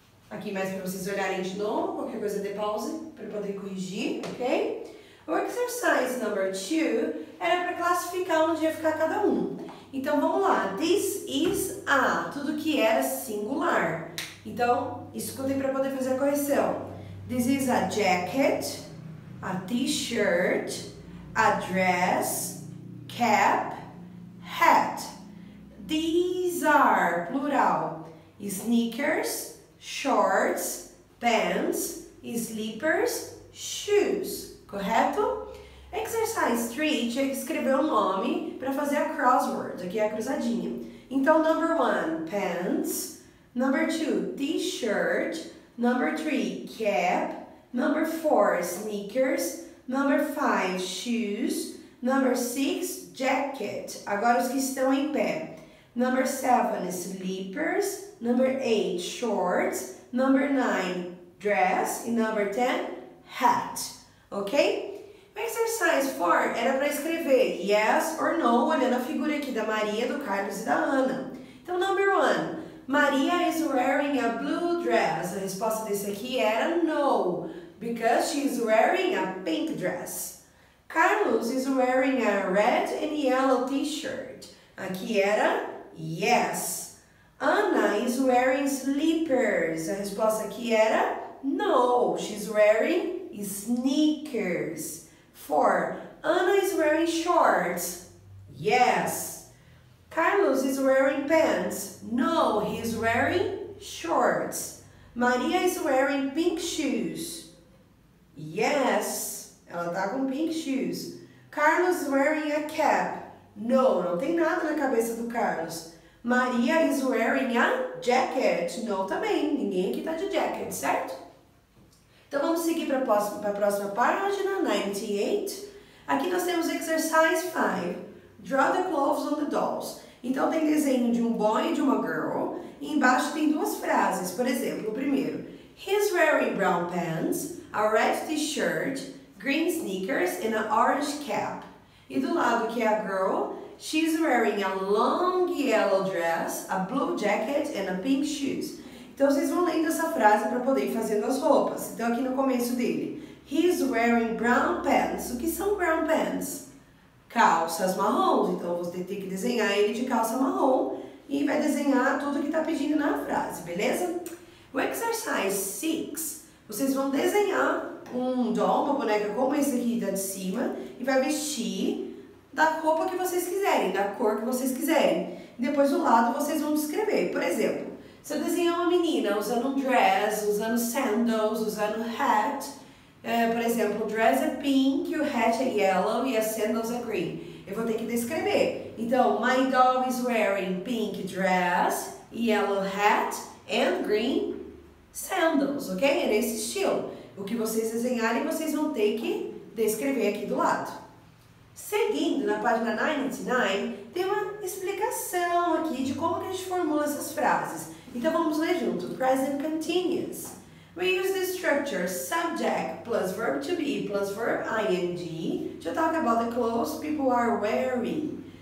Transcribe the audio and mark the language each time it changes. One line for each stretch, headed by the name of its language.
Portuguese: Aqui mais para vocês olharem de novo, qualquer coisa de pause para poder corrigir, ok? O exercise number 2 era para classificar onde ia ficar cada um. Então vamos lá.
English: This is a,
Portuguese: tudo que era singular. Então escutem para poder fazer a correção.
English: This is a jacket, a t-shirt, a dress, cap, hat. These are, plural, sneakers, shorts, pants, slippers, shoes.
Portuguese: Correto? Exercise 3, tinha que escrever o nome para fazer a crossword, aqui é a cruzadinha.
English: Então, number 1, pants. Number 2, t-shirt. Number 3, cap. Number 4, sneakers. Number 5, shoes. Number 6, jacket.
Portuguese: Agora os que estão em pé.
English: Number 7, slippers. Number 8, shorts. Number 9, dress. E number 10, hat. Ok?
Portuguese: O exercise 4 era para escrever
English: yes or no,
Portuguese: olhando a figura aqui da Maria, do Carlos e da Ana.
English: Então, number 1. Maria is wearing a blue dress.
Portuguese: A resposta desse aqui era
English: no, because she is wearing a pink dress. Carlos is wearing a red and yellow t-shirt.
Portuguese: Aqui era
English: yes. Ana is wearing slippers.
Portuguese: A resposta aqui era
English: no, she's wearing sneakers. 4. Ana is wearing shorts. Yes. Carlos is wearing pants. No, he is wearing shorts. Maria is wearing pink shoes. Yes,
Portuguese: ela tá com
English: pink shoes. Carlos is wearing a cap. No,
Portuguese: não tem nada na cabeça do Carlos.
English: Maria is wearing a jacket.
Portuguese: No, também, ninguém aqui tá de jacket, certo? Então vamos seguir para a próxima página, 98. Aqui nós temos exercise 5.
English: Draw the clothes on the dolls.
Portuguese: Então, tem desenho de um boy e de uma girl. E embaixo tem duas frases. Por exemplo, o primeiro.
English: He's wearing brown pants, a red t-shirt, green sneakers and an orange cap.
Portuguese: E do lado que é a girl,
English: she's wearing a long yellow dress, a blue jacket and a pink shoes.
Portuguese: Então, vocês vão lendo essa frase para poder ir fazendo as roupas. Então, aqui no começo dele.
English: He's wearing brown pants.
Portuguese: O que são
English: brown pants?
Portuguese: Calças marrons, então você tem que desenhar ele de calça marrom e vai desenhar tudo que está pedindo na frase, beleza? O exercise 6, vocês vão desenhar um doll, uma boneca como esse aqui da de cima e vai vestir da roupa que vocês quiserem, da cor que vocês quiserem. Depois do lado vocês vão descrever, por exemplo, se eu desenhar uma menina usando um dress, usando sandals, usando hat. Por exemplo, dress é pink, o hat é yellow e as sandals é green. Eu vou ter que descrever.
English: Então, my doll is wearing pink dress, yellow hat and green sandals, ok?
Portuguese: É nesse estilo. O que vocês desenharem, vocês vão ter que descrever aqui do lado. Seguindo, na página 99, tem uma explicação aqui de como que a gente formula essas frases. Então, vamos ler junto. Present continuous.
English: We use the structure subject plus verb to be plus verb ing to talk about the clothes people are wearing.